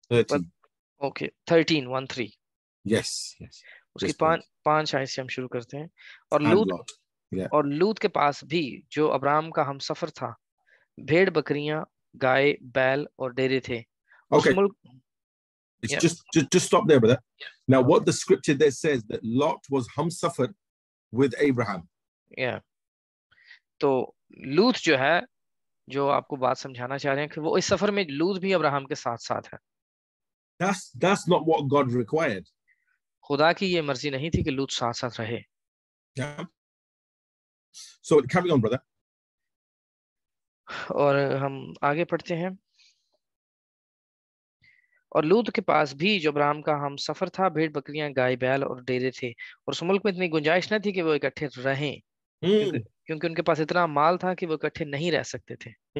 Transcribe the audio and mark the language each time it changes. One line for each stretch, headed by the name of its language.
English: 13:1-3. Yes, yes.
Hindi: उसकी पांच आयत से हम शुरू करते हैं. और लूत और लूत के पास भी जो अब्राहम का हम सफर था, भेड़ बकरियां, गाय, बैल और डेरे थे.
English: Okay. Just stop there, brother. Now, okay. What the scripture there says that Lot was hamsafar with Abraham. Yeah.
Hindi: तो लूत जो है, जो आपको बात समझाना चाह रहे हैं कि वो इस सफर में लूत भी अब्राहम के साथ साथ है.
English: That's not what God required.
Hindi: खुदा की ये मर्जी नहीं थी कि लूत साथ साथ रहे.
English: Yeah. So carry on, brother.
Hindi: और हम आगे पढ़ते हैं. और लूत के पास भी जो अब्राहम का हम सफर था, भेड़ बकरियां, गाय, बैल और डेरे थे, और उस मुल्क में इतनी गुंजाइश न थी कि वो इकट्ठे रहें, क्योंकि उनके पास इतना माल था कि वो इकट्ठे नहीं रह सकते थे.